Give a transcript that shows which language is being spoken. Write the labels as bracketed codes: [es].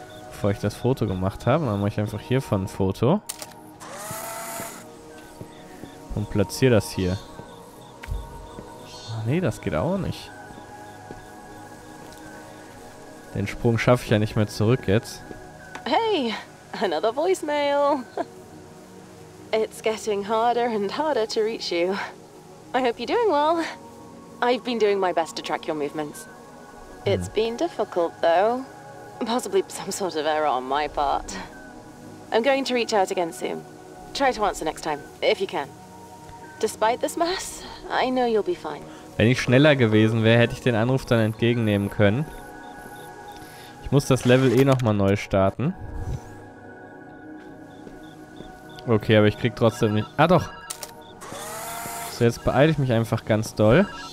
[de] Bevor ich das Foto gemacht habe. Dann mache ich einfach hiervon ein Foto. Und platziere das hier. Ach nee, das geht auch nicht. Den Sprung schaffe ich ja nicht mehr zurück jetzt. [en] Hey, another voicemail. It's getting harder and harder to reach you. I hope you're doing well. I've been doing my best to track your movements. It's been difficult though. Possibly some sort of error on my part. I'm going to reach out again soon. Try to answer next time, if you can. Despite this mess, I know you'll be fine. [de] Wenn ich schneller gewesen wäre, hätte ich den Anruf dann entgegennehmen können. Ich muss das Level eh nochmal neu starten. Okay, aber ich krieg trotzdem nicht... Ah doch! So, jetzt beeile ich mich einfach ganz doll.